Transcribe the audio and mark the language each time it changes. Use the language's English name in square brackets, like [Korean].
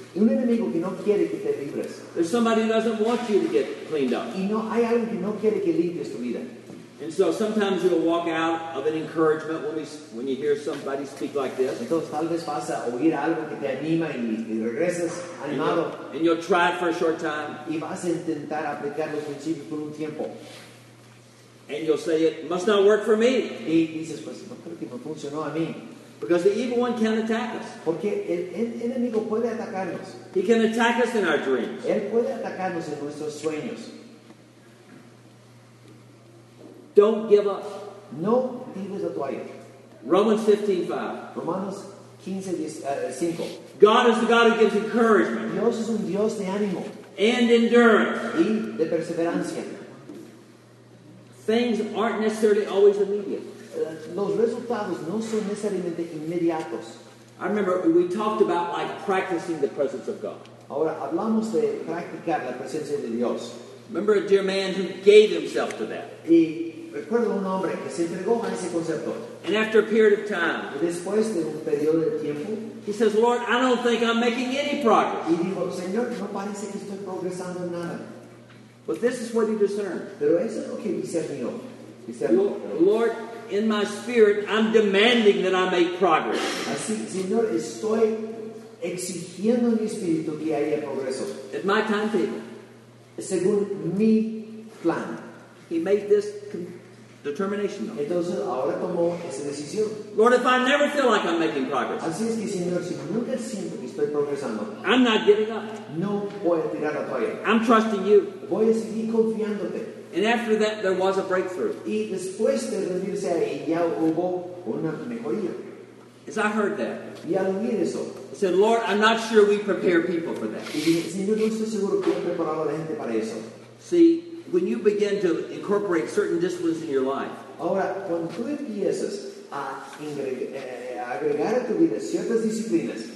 [Spanish] Un enemigo que no quiere que te libres. [English] There's somebody who doesn't want you to get cleaned up. [Spanish] Y no, hay alguien que no quiere que limpies tu vida. [English] And so sometimes you'll walk out of an encouragement when you hear somebody speak like this. [Spanish] Entonces tal vez vas a oír algo que te anima y regresas animado. [English] And you'll try it for a short time. [Spanish] Y vas a intentar aplicar los principios por un tiempo. [English] And you'll say, it must not work for me. [Spanish] Y dices, pues no creo que me funcionó a mí. [English] Because the evil one can attack us. [Spanish] Porque el enemigo puede atacarnos. [English] He can attack us in our dreams. [Spanish] Él puede atacarnos en nuestros sueños. [English] Don't give up. [Spanish] No tires la toalla. [English] Romans 15:5. God is the God who gives encouragement. [Spanish] Dios es un Dios de ánimo. [English] And endurance. [Spanish] Y de perseverancia. [English] Things aren't necessarily always immediate. [Spanish] Los resultados no son necesariamente inmediatos. [English] I remember we talked about like practicing the presence of God. [Spanish] Ahora hablamos de practicar la presencia de Dios. [English] Remember a dear man who gave himself to that. [Spanish] Y recuerdo un hombre que se entregó a ese concepto. [English] And after a period of time, [Spanish] después de un periodo de tiempo, [English] he says, "Lord, I don't think I'm making any progress." [Spanish] Y dijo, Señor, no parece que estoy progresando en nada. [English] But this is what he discerned. [Spanish] Pero eso es lo que discernió. [English] Lord, in my spirit, I'm demanding that I make progress. [Spanish] Así, Señor, estoy exigiendo en mi espíritu que haya progreso. [English] At my timetable. [Spanish] Según mi plan. [English] He made this determination. [Spanish] Entonces, ahora tomó esa decisión. [English] Lord, if I never feel like I'm making progress. [Spanish] Así es que, Señor, si nunca siento que estoy progresando. [English] I'm not giving up. [Spanish] No voy a tirar la toalla. [English] I'm trusting you. [Spanish] Voy a seguir confiándote. [English] And after that, there was a breakthrough. [Spanish] Y después de rendirse ahí, ya hubo una mejoría. [English] As I heard that, [Spanish] y al oír eso, [English] I said, Lord, I'm not sure we prepare people for that. [Spanish] Y dije, Señor, no estoy seguro que he preparado a la gente para eso. [English] See, when you begin to incorporate certain disciplines in your life, [Spanish] ahora, cuando tú empiezas a agregar a tu vida ciertas disciplinas,